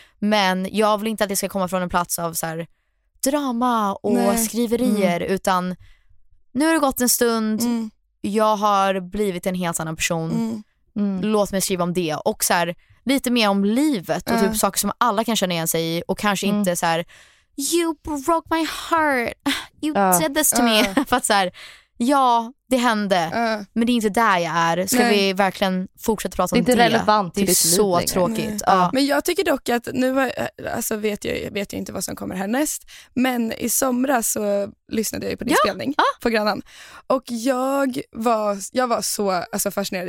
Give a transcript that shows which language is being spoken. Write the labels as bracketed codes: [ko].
[sv] Men jag vill inte att det ska komma från en plats av så här drama och skriverier. Utan nu har det gått en stund, jag har blivit en helt annan person. Låt mig skriva om det. Och så här, lite mer om livet och typ saker som alla kan känna igen sig i. Och kanske inte så här, [en] you broke my heart, you did this to me. [sv] För att så här, det hände. Men det är inte där jag är. Ska vi verkligen fortsätta prata om det? Det är inte relevant. Det är så tråkigt. Men jag tycker dock att nu, alltså vet jag inte vad som kommer härnäst. Men i somras så lyssnade jag på din spelning på Grannan. Och jag var så fascinerad.